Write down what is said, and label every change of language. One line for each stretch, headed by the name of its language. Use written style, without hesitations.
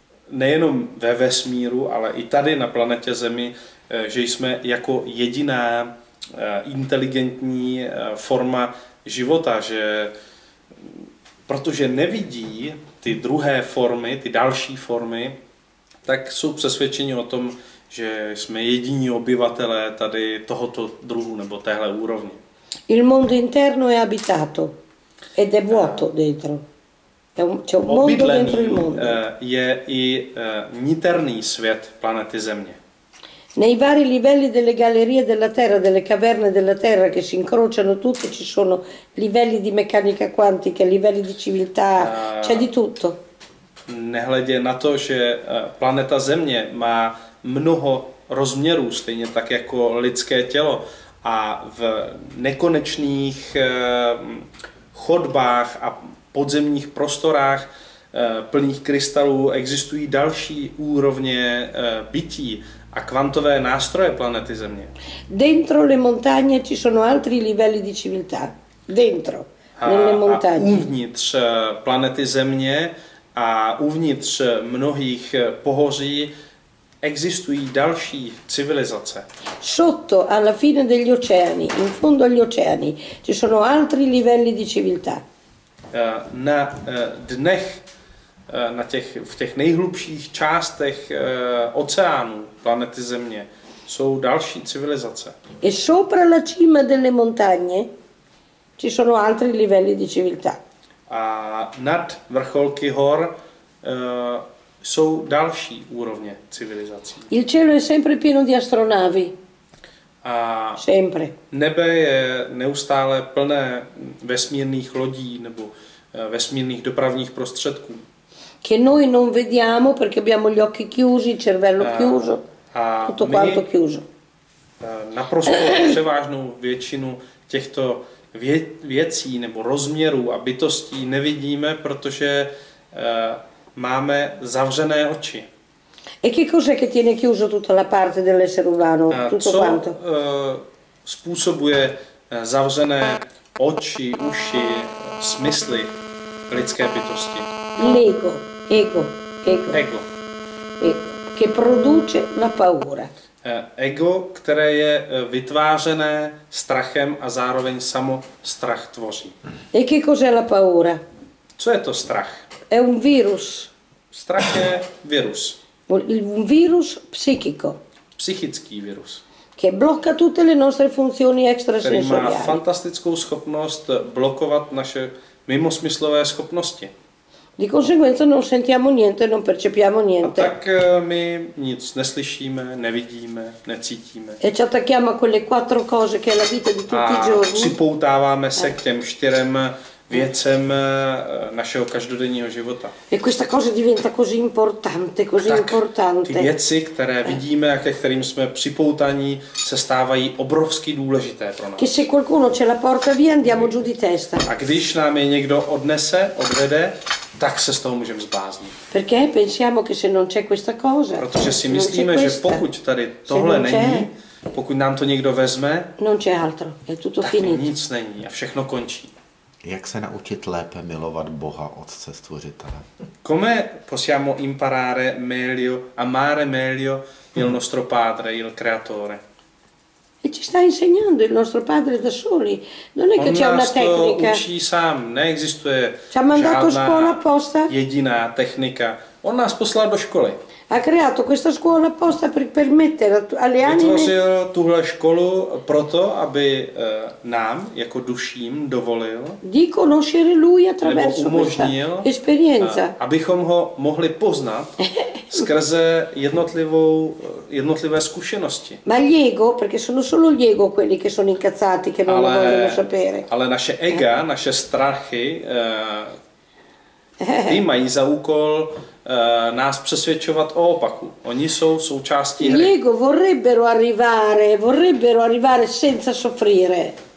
Czech: nejenom ve vesmíru, ale i tady na planetě Zemi, že jsme jako jediná inteligentní forma života, že protože nevidí ty druhé formy, ty další formy, tak jsou přesvědčeni o tom, že jsme jediní obyvatelé tady tohoto druhu nebo téhle úrovni.
Italian: Il mondo interno è abitato ed è vuoto dentro. C'è un mondo dentro il mondo.
Czech: Je i niterný svět planety Země.
Italian: Nei vari livelli delle gallerie della Terra, delle caverne della Terra che si incrociano tutte, ci sono livelli di meccanica quantica, livelli di civiltà, c'è di tutto.
Czech: Nehledě na to, že planeta Země má mnoho rozměrů, stejně tak jako lidské tělo, a v nekonečných chodbách a podzemních prostorách plných krystalů existují další úrovně bytí a kvantové nástroje planety Země.
Italian: Dentro le montagne ci sono altri livelli di civiltà. Dentro, nelle montagne.
Czech: A uvnitř planety Země a uvnitř mnohých pohoří existují další civilizace.
Italian: Sotto, alla fine degli oceani, in fondo agli oceani, ci sono altri livelli di civiltà.
Czech: Na dnech, na těch, v těch nejhlubších částech oceánů planety Země jsou další civilizace.
Italian: E sopra la cima delle montagne ci sono altri livelli di civiltà.
Czech: A nad vrcholky hor jsou další úrovně civilizací.
Italian: Il cielo è sempre pieno di astronavi. A sempre.
Czech: Nebe je neustále plné vesmírných lodí nebo vesmírných dopravních prostředků.
Italian: Che noi non vediamo perché abbiamo gli occhi chiusi, il cervello chiuso, tutto quanto chiuso.
Czech: Naprosto převážnou většinu těchto věcí nebo rozměrů a bytostí nevidíme, protože máme zavřené oči.
Italian: E che cos'è che tiene chiuso tutta la parte dell'essere umano, tutto quanto?
Czech: Způsobuje zavřené oči, uši, smysly lidské bytosti?
Italian: L'ego. Ego, ego, ego, ego, che produce la paura.
Czech: Ego, které je vytvářené strachem a zároveň samo strach tvoří.
Italian: E che cos'è la paura?
Czech: Co je to strach?
Italian: È un virus.
Czech: Strach je virus.
Italian: Un virus psichico.
Czech: Psychický virus.
Italian: Che blocca tutte le nostre funzioni extrasensoriali.
Czech: Který má fantastickou schopnost blokovat naše mimosmyslové schopnosti.
Italian: Di conseguenza non sentiamo niente, non percepiamo niente.
Czech: A tak my nic neslyšíme, nevidíme, necítíme.
Italian: E ci attacchiamo a quelle quattro cose che è la vita di tutti i giorni.
Czech: A připoutáváme se k těm čtyřem věcem našeho každodenního života.
Italian: E questa cosa diventa così importante, così importante.
Czech: Ty věci, které vidíme a ke kterým jsme připoutaní, se stávají obrovsky důležité pro nás.
Italian: Che se qualcuno ce la porta via, andiamo giù di testa.
Czech: A když nám je někdo odnese, odvede, tak se z toho můžeme zbláznit.
Italian: Perché pensiamo che se non c'è questa cosa.
Czech: Protože si myslíme, že pokud tady tohle není, pokud nám to někdo vezme,
Italian: non c'è altro, è tutto finito.
Czech: Nic není a všechno končí. Jak se naučit lépe milovat Boha, Otce Stvořitele?
Italian: Come possiamo imparare meglio amare meglio il nostro padre, il creatore? E ci sta insegnando il nostro padre da soli. Non è che c'è una tecnica.
Czech: On nás to učí sám, neexistuje.
Italian: Ci ha mandato a scuola apposta?
Czech: Jediná tecnika. On nás poslal do školy.
Italian: Ha creato questa scuola apposta per permettere alle anime.
Czech: Vytvořil tuhle školu proto, aby nám jako duším dovolil.
Italian: Di conoscere lui attraverso questa esperienza.
Czech: Abychom ho mohli poznat skrze jednotlivé zkušenosti.
Italian: Ma gli ego, perché sono solo gli ego quelli che sono incazzati, che non lo vogliono sapere.
Czech: Ale naše ega, naše strachy, ty mají za úkol nás přesvědčovat o opaku. Oni jsou součástí hry.
Italian: Gli ego vorrebbero arrivare senza soffrire.